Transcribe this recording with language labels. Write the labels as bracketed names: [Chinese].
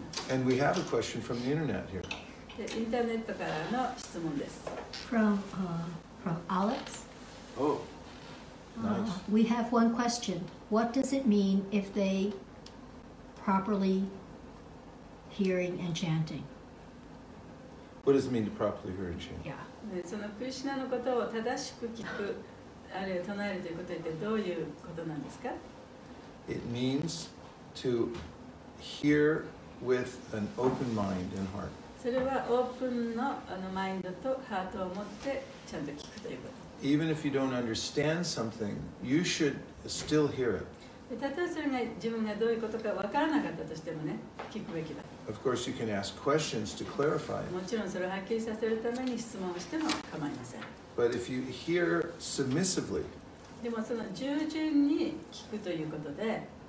[English] And we have a question from the internet here. [Japanese] Internet からの質問です。 [English] From Alex. Oh, nice. We have one question. What does it mean if they properly hearing and chanting? What does it mean to properly hear and chant? Yeah. [Japanese] そのクリシュナのことを正しく聞くあるいは唱えるということってどういうことなんですか? [English] It means to hear with an open mind and heart. [Japanese] それはオープンのマインドとハートを持ってちゃんと聞くということ。 [English] Even if you don't understand something, you should still hear it. [Japanese] 例えばそれが自分がどういうことかわからなかったとしてもね、聞くべきだ。 [English] Of course, you can ask questions to clarify it. [Japanese] もちろんそれをはっきりさせるために質問をしても構いません。 [English] But if you hear submissively, [Japanese] でもその従順に聞くということで、